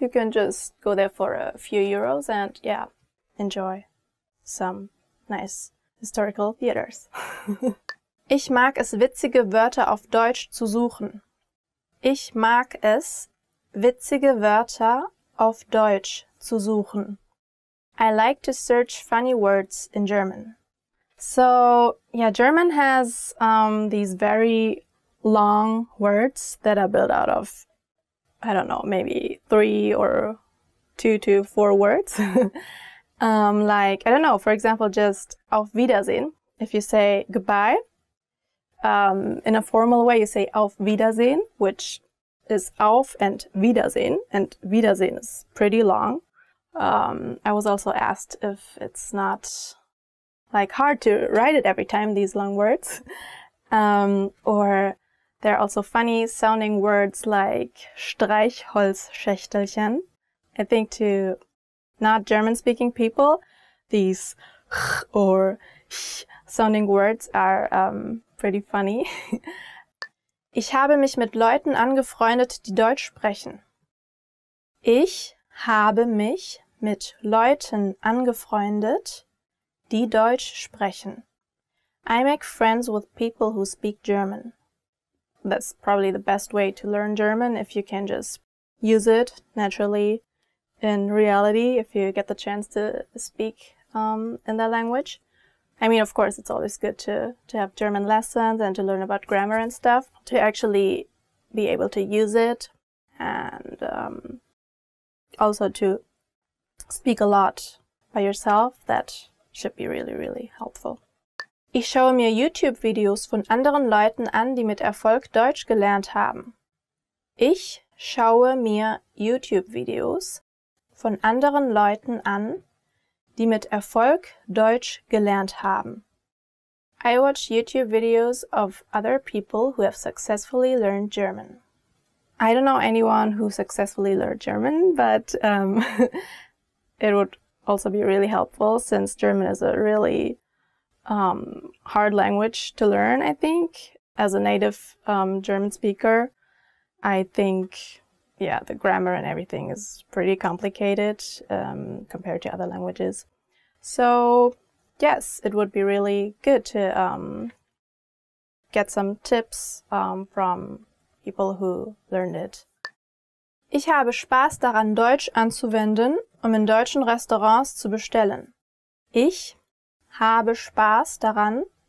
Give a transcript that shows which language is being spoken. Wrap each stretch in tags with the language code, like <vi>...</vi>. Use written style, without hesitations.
<en>You can just go there for a few euros and yeah, enjoy some nice historical theaters.</en> <de>Ich mag es, witzige Wörter auf Deutsch zu suchen. Ich mag es, witzige Wörter auf Deutsch zu suchen.</de> <en>I like to search funny words in German. So, yeah, German has these very long words that are built out of, I don't know, maybe three or two to four words. like, I don't know, for example, just auf Wiedersehen, if you say goodbye, in a formal way, you say auf Wiedersehen, which is auf and Wiedersehen is pretty long. I was also asked if it's not, like, hard to write it every time, these long words. Or there are also funny sounding words like Streichholzschächtelchen. I think to not German-speaking people, these ch or ch sounding words are pretty funny.</en> <de>Ich habe mich mit Leuten angefreundet, die Deutsch sprechen. Ich habe mich mit Leuten angefreundet, die Deutsch sprechen.</de> <en>I make friends with people who speak German. That's probably the best way to learn German, if you can just use it naturally. In reality, if you get the chance to speak in that language. I mean, of course, it's always good to have German lessons and to learn about grammar and stuff, to actually be able to use it and also to speak a lot by yourself. That should be really, really helpful.</en> <de>Ich schaue mir YouTube-Videos von anderen Leuten an, die mit Erfolg Deutsch gelernt haben. Ich schaue mir YouTube-Videos von anderen Leuten an, die mit Erfolg Deutsch gelernt haben.</de> <en>I watch YouTube videos of other people who have successfully learned German. I don't know anyone who successfully learned German, but it would also be really helpful since German is a really hard language to learn, I think. As a native German speaker, I think yeah, the grammar and everything is pretty complicated compared to other languages. So, yes, it would be really good to get some tips from people who learned it.</en> <de>Ich habe Spaß daran, Deutsch anzuwenden, um in deutschen Restaurants zu bestellen. Ich habe Spaß daran,</de>